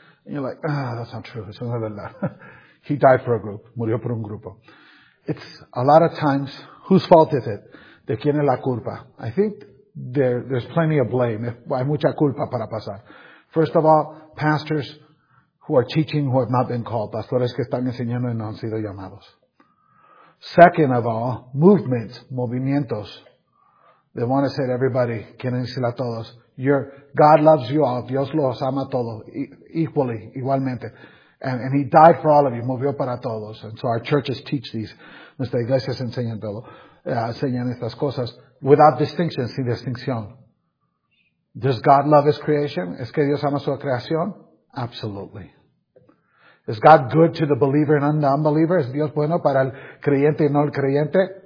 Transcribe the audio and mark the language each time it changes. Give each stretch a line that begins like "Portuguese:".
English: And you're like, ah, oh, that's not true.
Spanish: Eso no es verdad.
English: He died for a group.
Spanish: Murió por un grupo.
English: It's a lot of times, whose fault is it?
Spanish: ¿De quién es la culpa?
English: I think there's plenty of blame.
Spanish: Hay mucha culpa para pasar.
English: First of all, pastors who are teaching who have not been called.
Spanish: Pastores que están enseñando y no han sido llamados.
English: Second of all,
Spanish: movimientos.
English: They want to say to everybody,
Spanish: quieren decir a todos,
English: God loves you all.
Spanish: Dios los ama a todos.
English: Equally,
Spanish: igualmente. And he died for all of you. Movió para todos.
English: And so our churches teach these.
Spanish: Nuestras iglesias enseñan estas cosas.
English: Without distinction,
Spanish: sin distinción.
English: Does God love his creation?
Spanish: ¿Es que Dios ama su creación?
English: Absolutely. Is God good to the believer and the unbeliever?
Spanish: ¿Es Dios bueno para el creyente y no el creyente?